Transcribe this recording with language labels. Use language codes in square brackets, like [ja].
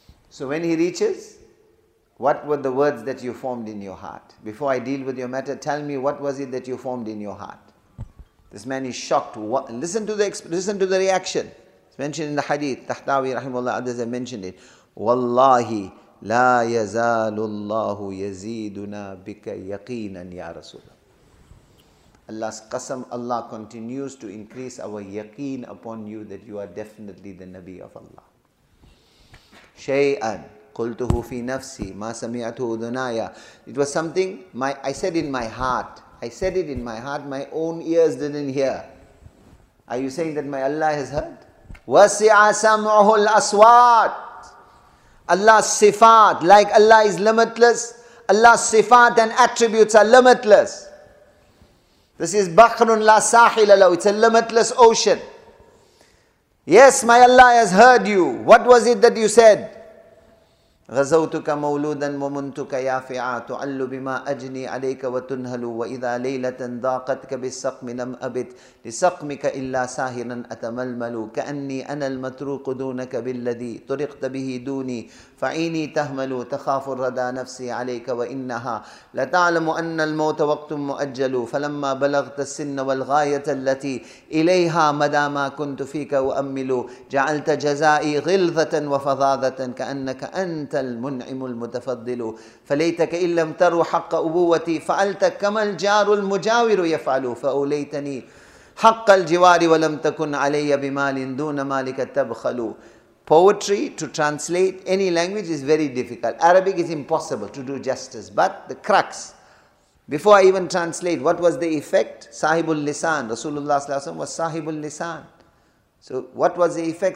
[en] So when he reaches, what were the words that you formed in your heart? Before I deal with your matter, tell me what was it that you formed in your heart? This man is shocked. Listen to the reaction. It's mentioned in the hadith. Tahtawi rahimahullah, others have mentioned it. [ar] Wallahi, لا يزال الله يزيدنا بك يقينا يا رسول الله. [en] Allah's qasam, Allah continues to increase our yaqeen upon you that you are definitely the Nabi of Allah. [ar] شيئاً قلته في نفسي ما سمعته أذناي. [en] It was something I said it in my heart. My own ears didn't hear. Are you saying that my Allah has heard? [ar] وسع سمعه الأصوات. [en] Allah's sifat, like Allah is limitless, Allah's sifat and attributes are limitless. This is [ar] Bahrun la sahil alaw, [en] it's a limitless ocean. Yes, my Allah has heard you. What was it that you said? [ar] غزوتك مولودا ومنتك يافعا تعل بما أجني عليك وتنهل وإذا ليلة ضاقتك بالسقم لم أبت لسقمك إلا ساهرا أتململ كأني أنا المتروق دونك بالذي طرقت به دوني فعيني تهمل تخاف الردى نفسي عليك وإنها لتعلم أن الموت وقت مؤجل فلما بلغت السن والغاية التي إليها مدى ما كنت فيك أؤمل جعلت جزائي غلظة وفظاظة كأنك أنت المنعم المتفضل فليتك إن لم تروا حق أبوتي فعلت كما الجار المجاور يفعل فأوليتني حق الجوار ولم تكن علي بمال دون مالك تبخل. [en] Poetry to translate any language is very difficult. Arabic is impossible to do justice. But the crux, before I even translate, what was the effect? Sahibul Lisan, Rasulullah sallallahu alaihi wasallam was Sahibul Lisan. So what was the effect?